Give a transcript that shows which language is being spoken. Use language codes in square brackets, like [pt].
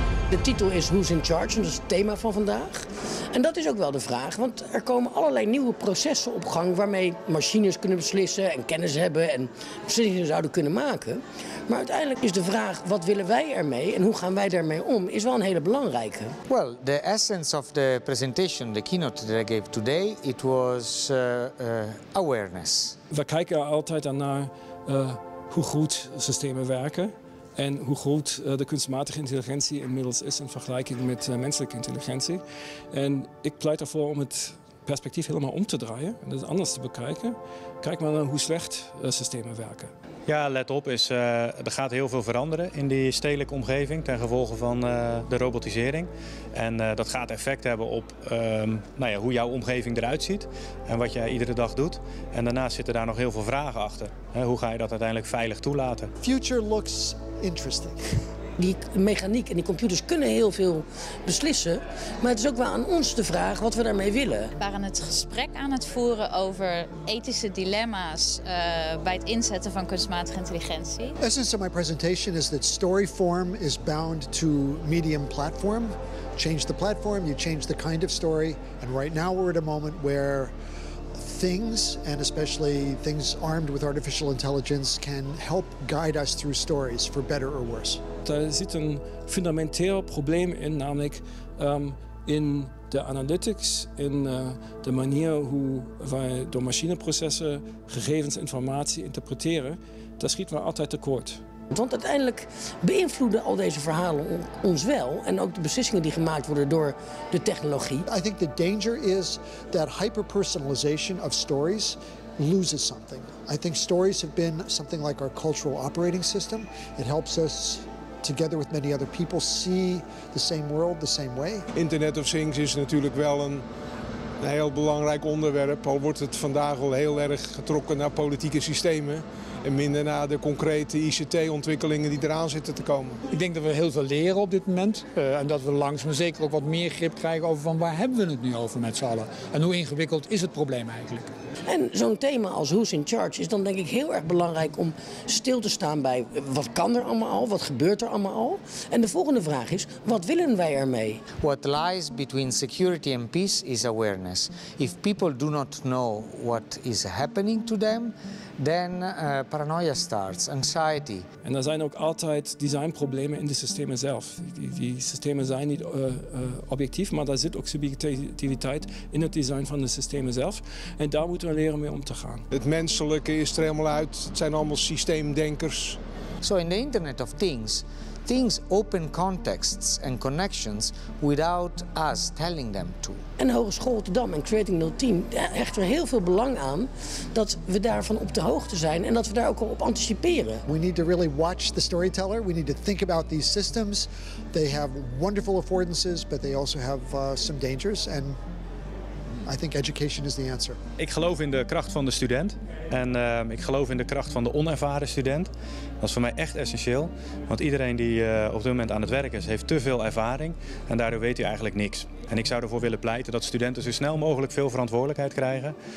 [nl] De titel is Who's in Charge? En dat is het thema van vandaag. En dat is ook wel de vraag, want er komen allerlei nieuwe processen op gang waarmee machines kunnen beslissen en kennis hebben en beslissingen zouden kunnen maken. Maar uiteindelijk is de vraag, wat willen wij ermee en hoe gaan wij daarmee om, is wel een hele belangrijke. [en] Well, the essence of the presentation, the keynote that I gave today, it was awareness. [nl] We kijken altijd naar hoe goed systemen werken. En hoe groot de kunstmatige intelligentie inmiddels is in vergelijking met menselijke intelligentie. En ik pleit ervoor om het perspectief helemaal om te draaien en het anders te bekijken. Kijk maar naar hoe slecht systemen werken. Ja, let op, er gaat heel veel veranderen in die stedelijke omgeving ten gevolge van de robotisering. En dat gaat effect hebben op hoe jouw omgeving eruit ziet en wat jij iedere dag doet. En daarnaast zitten daar nog heel veel vragen achter. Hoe ga je dat uiteindelijk veilig toelaten? [en] Future looks interesting. [nl] Die mechaniek en die computers kunnen heel veel beslissen, maar het is ook wel aan ons de vraag wat we daarmee willen. We waren het gesprek aan het voeren over ethische dilemma's bij het inzetten van kunstmatige intelligentie. [en] The essence of my presentation is that story form is bound to medium platform. Change the platform, you change the kind of story. And right now we're at a moment where things, and especially things armed with artificial intelligence, can help guide us through stories, for better or worse. [nl] Daar zit een fundamenteel probleem in, namelijk in de analytics, in de manier hoe wij door machineprocessen gegevens, informatie interpreteren, daar schieten we altijd tekort. Want uiteindelijk beïnvloeden al deze verhalen ons wel en ook de beslissingen die gemaakt worden door de technologie. [en] I think the danger is that hyperpersonalization of stories loses something. I think stories have been something like our cultural operating system. It helps us together with many other people see the same world the same way. [nl] Internet of Things is natuurlijk wel een heel belangrijk onderwerp. Al wordt het vandaag al heel erg getrokken naar politieke systemen. En minder naar de concrete ICT-ontwikkelingen die eraan zitten te komen. Ik denk dat we heel veel leren op dit moment. En dat we langzaam zeker ook wat meer grip krijgen over van waar hebben we het nu over met z'n allen. En hoe ingewikkeld is het probleem eigenlijk. En zo'n thema als Who's in Charge is dan denk ik heel erg belangrijk om stil te staan bij wat kan er allemaal al, wat gebeurt er allemaal al. En de volgende vraag is, wat willen wij ermee? [en] What lies between security and peace is awareness. If people do not know what is happening to them, then paranoia starts, anxiety. [nl] En er zijn ook altijd designproblemen in de systemen zelf. Die systemen zijn niet objectief, maar daar zit ook subjectiviteit in het design van de systemen zelf. En daar moeten we leren mee om te gaan. Het menselijke is er helemaal uit. Het zijn allemaal systeemdenkers. [en] So in the Internet of Things, things open contexts and connections without us telling them to. [nl] En Hogeschool Rotterdam en Creating No Team hechten er heel veel belang aan dat we daarvan op de hoogte zijn en dat we daar ook al op anticiperen. [en] We need to really watch the storyteller. We need to think about these systems. They have wonderful affordances, but they also have some dangers. And I think education is the answer. [nl] Ik geloof in de kracht van de student. En ik geloof in de kracht van de onervaren student. Dat is voor mij echt essentieel. Want iedereen die op dit moment aan het werk is, heeft te veel ervaring. En daardoor weet hij eigenlijk niks. En ik zou ervoor willen pleiten dat studenten zo snel mogelijk veel verantwoordelijkheid krijgen.